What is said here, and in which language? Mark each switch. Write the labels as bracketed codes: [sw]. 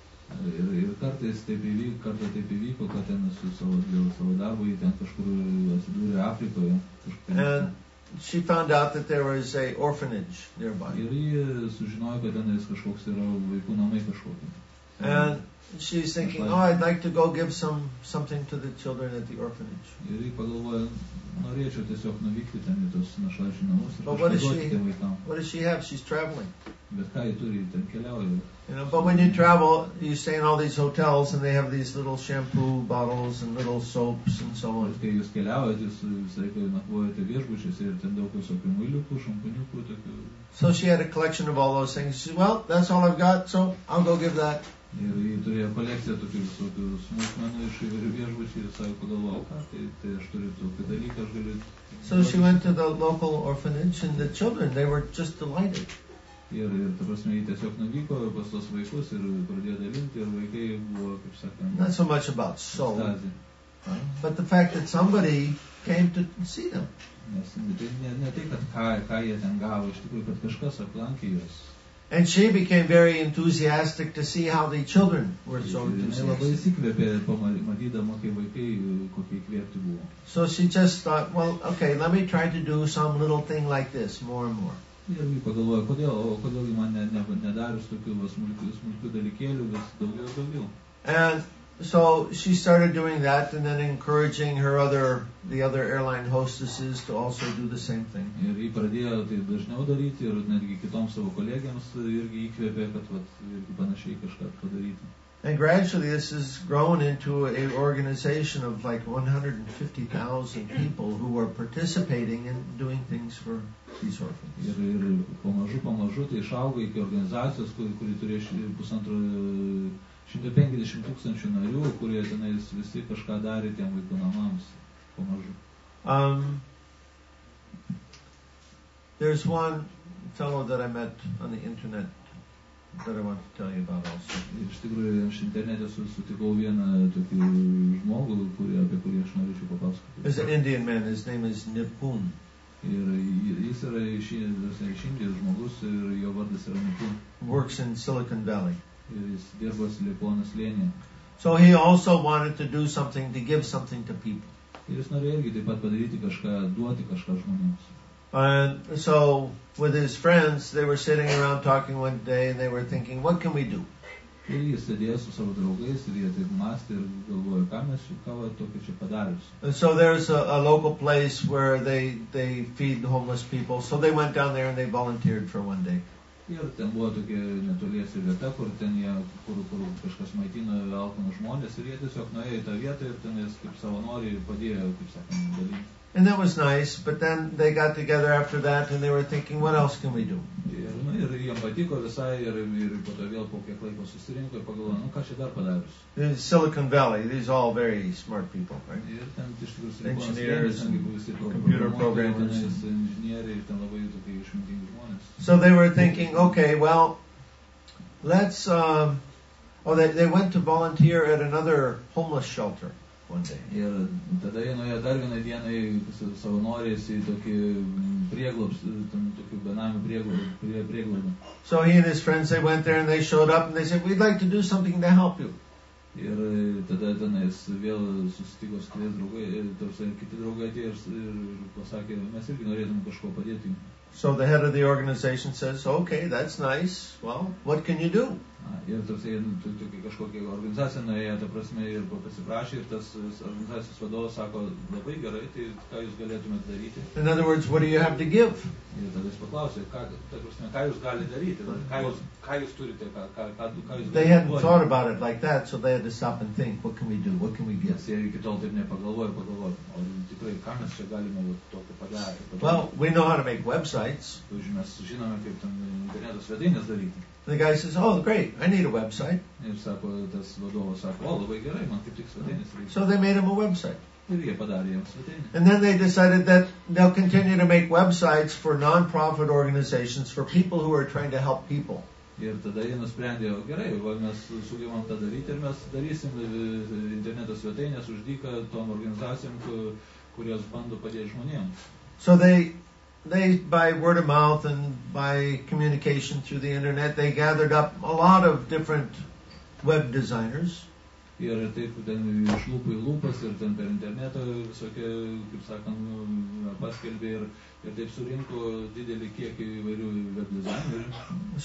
[lt] Ir kartais taip įvyko, kartą taip įvyko, kad ten su savo darbu jį ten kažkur atsidūrė Afrikoje. [en] And she found out that there was a orphanage nearby. [lt] Ir ji sužinojo, kad ten kažkoks yra vaikų namai kažkokie. [en] And she's thinking, oh, I'd like to go give something to the children at the orphanage. [lt] Ir ji pagalvojo, norėčiau tiesiog nuvykti ten į tos našlaičių namus ir kažką duoti tiem vaikam. [en] What does she have? She's traveling. [lt] Bet ką ji turi, ten keliauja. [en] You know, but when you travel, you stay in all these hotels and they have these little shampoo bottles and little soaps and so on. [lt] Kai jūs keliaujate, jūs nakvojate viešbučiuose ir ten daug visokių muiliukų, šampūniukų tokių. [en] So she had a collection of all those things. She said, well, that's all I've got, so I'll go give that. [lt] Ir ji turėjo kolekciją tokių visokių smulkmenų iš įvairių viešbučių ir sako, pagalvojau, ką, tai aš turiu tokį dalyką, aš galiu. [en] So she went to the local orphanage and the children, they were just delighted. [lt] Ir ta prasme, jį tiesiog nuvyko pas tos vaikus ir pradėjo dalinti, ir vaikai buvo, kaip sakant, [en] not so much about soul, but the fact that somebody came to see them. [lt] Nes ne tai, kad ką jie ten gavo, iš tikrųjų, kad kažkas aplankė juos. [en] And she became very enthusiastic to see how the children were so enthusiastic. So she just thought, well, okay, let me try to do some little thing like this more and more. [lt] Ir jį pagalvojo, kodėl jį man nedarius tokių smulkių dalykėlių, vis daugiau ir daugiau. [en] And so she started doing that and then encouraging the other airline hostesses to also do the same thing. [lt] Ir jį pradėjo tai dažniau daryti ir netgi kitoms savo kolegiams irgi įkvėpė, kad panašiai kažką padaryti. [en] And gradually this has grown into an organization of like 150,000 people who are participating in doing things for these orphans. [lt] Ir pamažu tai išaugo iki organizacijos, kuri turi 150 tūkstančių narių, kurie tenais visi kažką darė tiem vaikų namams. Pamažu. [en] There's one fellow that I met on the internet that I want to tell you about also. [lt] Iš tikrųjų, aš internete sutikau vieną tokį žmogų, apie kurį aš norėčiau papasakoti. [en] He's an Indian man, his name is Nipun. [lt] Ir jis yra iš Indijos žmogus ir jo vardas yra Nipun. [en] Works in Silicon Valley. [lt] Ir jis dirba Silikono slėnyje. [en] So he also wanted to do something, to give something to people. [lt] Ir jis norėjo irgi taip pat padaryti kažką, duoti kažką žmonėms. [en] And so with his friends, they were sitting around talking one day and they were thinking, what can we do? [lt] Ir jis sėdėjo su savo draugais ir jie taip mąstė ir galvojo, ką tokį čia padarius. [en] And so there's a local place where they feed homeless people. So they went down there and they volunteered for one day. [lt] Ir ten buvo tokia netoliese vieta, kur kažkas maitino alkanus žmonės ir jie tiesiog nuėjo į tą vietą ir ten jis kaip savanoriai padėjo, kaip sakant, dalyti. [en] And that was nice, but then they got together after that and they were thinking, what else can we do? [lt] Ir jiem patiko visai ir po to vėl po kiek laiko susirinko ir pagalvojo, nu ką čia dar padarius. [en] Silicon Valley, these are all very smart people, right? Engineers, computer programmers. So they were thinking, okay, well, let's, they went to volunteer at another homeless shelter. [lt] Ir tada jie nuėjo dar vieną dieną į savanorės į tokį prieglobą. [en] So he and his friends, they went there and they showed up and they said, we'd like to do something to help you. [lt] Ir tada tenais vėl susitiko su kitais draugais, kiti draugai atėjo ir pasakė, mes irgi norėtume kažko padėti. [en] So the head of the organization says, okay, that's nice, well, what can you do? [lt] Ir tokia kažkokia organizacija nuėjo, ta prasme, ir pasiprašė, ir tas organizacijos vadovas sako, labai gerai, tai ką jūs galėtumėte daryti? [en] In other words, what do you have to give? [lt] Ir tada jis paklausė, ką jūs galite daryti, ką jūs turite, ką jūs [en] They hadn't thought about it like that, so they had to stop and think, what can we do, what can we give? [lt] Jie iki tol taip nepagalvojo, o tikrai, ką mes čia galime tokio padaryti? [en] Well, we know how to make websites. [lt] Mes žinome, kaip ten interneto svetainės daryti. [en] The guy says, oh, great, I need a website. [lt] Ir sako, tas vadovas sako, oh, labai gerai, man kaip tik svetainės reikia. [en] So they made him a website. [lt] Ir jie padarė jam svetainę. [en] And then they decided that they'll continue to make websites for non-profit organizations, for people who are trying to help people. [lt] Ir tada jie nusprendė, oh, gerai, va, mes sugebam tą daryti ir mes darysim interneto svetainės už dyką tom organizacijom, kurios bando padėti žmonėms. [en] So they by word of mouth and by communication through the internet they gathered up a lot of different web designers [lt] ir taip ten iš lūpų į lūpas ir ten per internetą visokie kaip sakant paskelbė ir taip surinko didelį kiekį įvairių web dizainerių